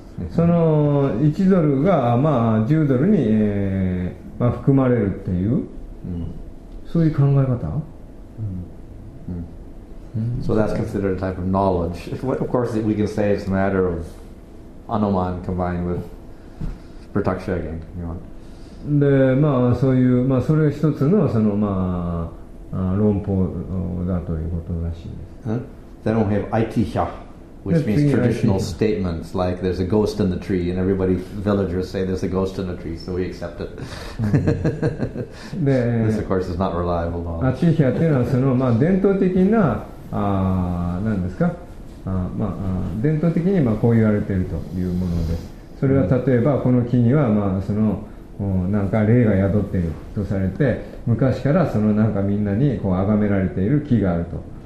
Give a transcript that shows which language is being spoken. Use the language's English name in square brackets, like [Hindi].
[Japanese] その1ドルが、まあ、10ドルに、まあ、含まれるっていう、そういう考え方。 [English] So that's considered a type of knowledge. Of course, we can say it's a matter of anuman combined with pratyaksha again. You want? [Japanese] で、まあそういう、まあそれ一つのそのまあ論法だということらしいです。 [English] Then we have aitihya. Which means traditional statements like there's a ghost in the tree and everybody, villagers say there's a ghost in the tree so we accept it. This of course is not reliable. [Japanese] Atihya っていうのはそのまあ伝統的な何ですか、まあ伝統的にまあこう言われているというもので、それは例えばこの木にはまあそのなんか霊が宿っているとされて、昔からそのなんかみんなにこう崇められている木があると。